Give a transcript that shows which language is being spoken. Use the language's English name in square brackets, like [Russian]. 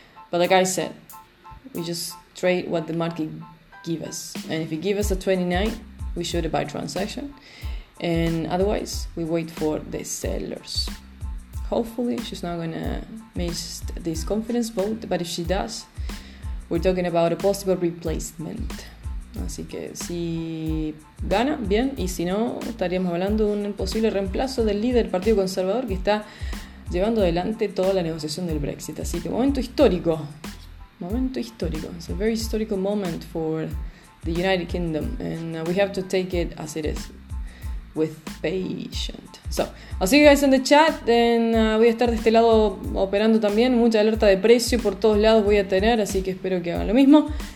[English] But like I said, we just trade what the market give us, and if it give us a 29, we should buy transaction, and otherwise we wait for the sellers. Hopefully she's not gonna miss this confidence vote, but if she does, we're talking about a possible replacement. [Spanish] Así que si gana, bien, y si no, estaríamos hablando de un posible reemplazo del líder del Partido Conservador que está llevando adelante toda la negociación del Brexit. Así que momento histórico. [English] It's a very historical moment for the United Kingdom, and we have to take it as it is, with patience. So, I'll see you guys in the chat, and [Spanish] voy a estar de este lado operando también. Mucha alerta de precio por todos lados voy a tener, así que espero que hagan lo mismo.